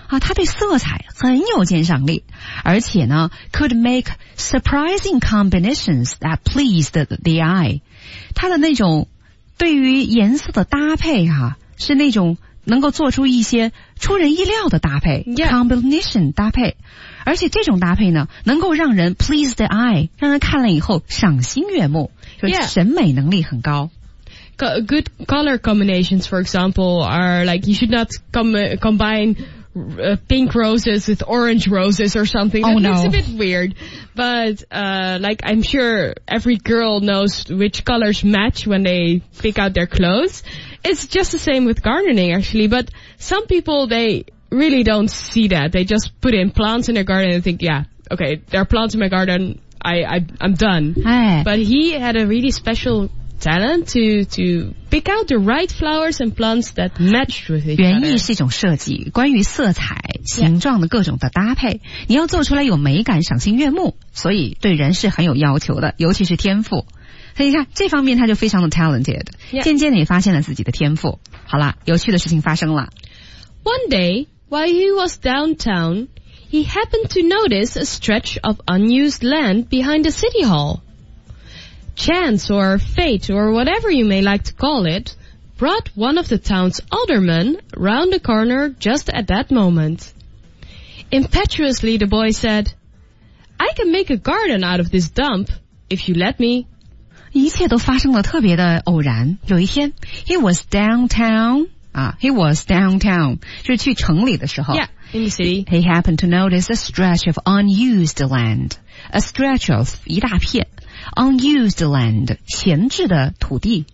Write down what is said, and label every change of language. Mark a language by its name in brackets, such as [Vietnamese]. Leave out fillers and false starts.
[Chinese] 啊他对色彩很有鉴赏力。而且呢 [English] ,could make surprising combinations that pleased the eye. [Chinese] 他的那种对于颜色的搭配啊是那种能够做出一些出人意料的搭配、 [English] yeah. [Chinese] ,combination 搭配。而且这种搭配呢能够让人 [English] please the eye, [Chinese] 让人看了以后赏心悦目就是审美能力很高。 [English] Yeah. Good color combinations, for example, are like, you should not combine pink roses with orange roses or something. Oh, no. It's a bit weird. But, like, I'm sure every girl knows which colors match when they pick out their clothes. It's just the same with gardening, actually. But some people, they really don't see that. They just put in plants in their garden and think, yeah, okay, there are plants in my garden. I'm done. Hey. But he had a really special talent to pick out the right flowers and plants that matched with each other. [Chinese] 园艺是一种设计，关于色彩、形状的各种的搭配。 [English] Yeah. [Chinese] 你要做出来有美感、赏心悦目，所以对人是很有要求的，尤其是天赋。所以你看，这方面他就非常的 talented， 渐渐的也发现了自己的天赋。好了，有趣的事情发生了。 [English] One day, while he was downtown, he happened to notice a stretch of unused land behind the city hall. Chance or fate or whatever you may like to call it, brought one of the town's aldermen round the corner just at that moment. Impetuously, the boy said, I can make a garden out of this dump, if you let me. [Chinese] 一切都发生了特别的偶然。有一天 [English] ,he was downtown, he was downtown, [Chinese] 就是去城里的时候。 [English] Yeah, in the city. He happened to notice a stretch of unused land, a stretch of [Chinese] 一大片。 [English] Unused land, [Chinese] 闲置的土地。